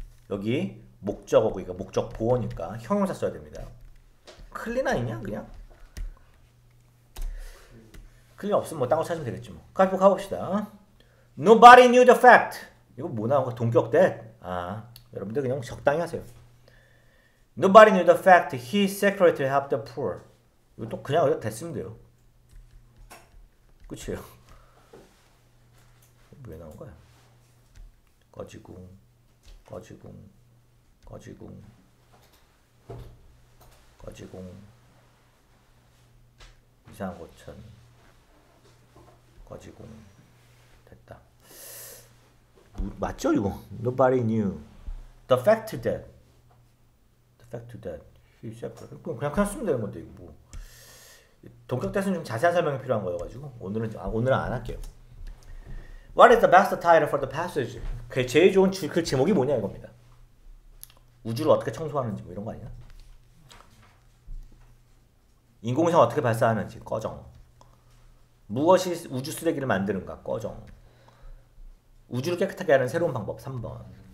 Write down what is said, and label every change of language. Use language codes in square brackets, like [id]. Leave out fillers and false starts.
[ko] 여기 목적어고 이거 목적 보어니까 형용사 써야 됩니다. 클린 아니냐 그냥? 클린 없으면 뭐 딴 거 찾으면 되겠지 뭐. 가보 가봅시다. [en] Nobody knew the fact. [ko] 이거 뭐 나온 거 동격 that. 아, 여러분들 그냥 적당히 하세요. [en] Nobody knew the fact he secretly helped the poor. [ko] 이거 또 그냥 어디 됐으면 돼요. 끝이에요. 왜 나온 거야? 꺼지궁, 꺼지궁, 꺼지궁, 꺼지궁. 이상한 고천. 꺼지궁. 됐다. 맞죠, 이거? [en] Nobody knew. The fact that. The fact that. He said. [ko] 그냥 쓰면 되는 건데, 이거 뭐. 동격대수는 좀 자세한 설명이 필요한 거여가지고, 오늘은, 아, 오늘은 안 할게요. [en] What is the best title for the passage? [ko] 그 제일 좋은 주, 그 제목이 뭐냐 이겁니다. 우주를 어떻게 청소하는지 뭐 이런 거 아니야? 인공위성 어떻게 발사하는지 꺼정. 무엇이 우주 쓰레기를 만드는가 꺼정. 우주를 깨끗하게 하는 새로운 방법 3번.